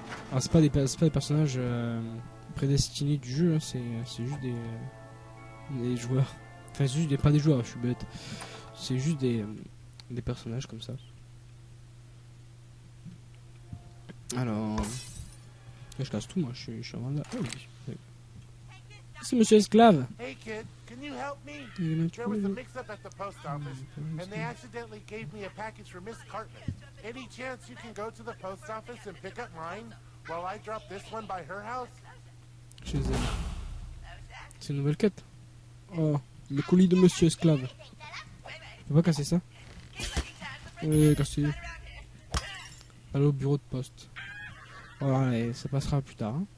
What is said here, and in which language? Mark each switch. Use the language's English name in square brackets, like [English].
[French] Alors c'est pas des personnages prédestinés du jeu, hein, c'est juste des joueurs. Enfin c'est juste des, pas des joueurs, je suis bête. C'est juste des personnages comme ça. Alors... Je casse tout, moi, je suis vraiment là. Oh, oui. C'est monsieur esclave. [English] Hey kid, can you help me? There was a mix-up at the post office, and they accidentally gave me a package for Miss Cartman. Any chance you can go to the post office and pick up mine, while I drop this one by her house? [French] Chez elle. C'est une nouvelle quête. Oh, le colis de monsieur esclave. Je peux pas casser ça. Ouais, casser. Allô, bureau de poste. Voilà, et ça passera plus tard.